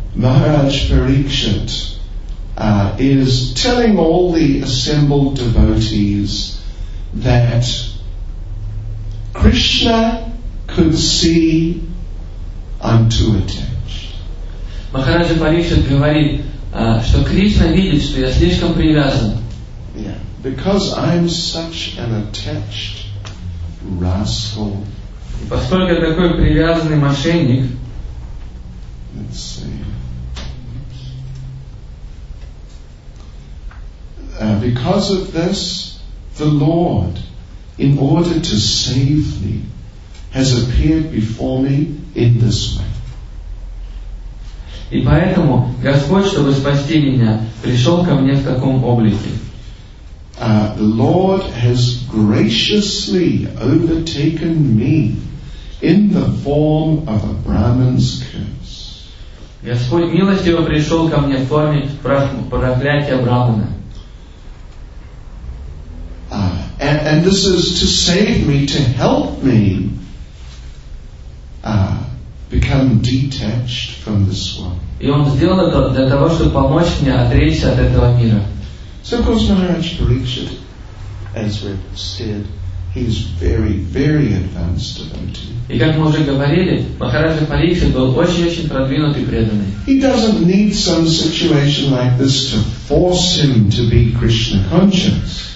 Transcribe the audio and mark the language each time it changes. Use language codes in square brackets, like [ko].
[en] Maharaj Parikshit is telling all the assembled devotees that Krishna could see I'm too attached. [ru] Махараджа Парикшит говорит, что Кришна видит, что я слишком привязан. [en] Yeah. Because I'm such an attached rascal. [ru] И поскольку я такой привязанный мошенник. [en] Let's see. Because of this, the Lord, in order to save me, has appeared before me in this way. [ru] И поэтому Господь, чтобы спасти меня, пришел ко мне в таком облике. [en] The Lord has graciously overtaken me in the form of a Brahmin's curse. [ru] Господь милостиво пришел ко мне в форме проклятия Брахмана. [en] And this is to save me, to help me become detached from this world. [ru] И он сделал это для того, чтобы помочь мне отречься от этого мира. [en] So of course Maharaj Parikshit, as we've said, he's very, very advanced devotee. [ru] И как мы уже говорили, Махарадж Парикшит был очень-очень продвинутый преданный. [en] He doesn't need some situation like this to force him to be Krishna conscious.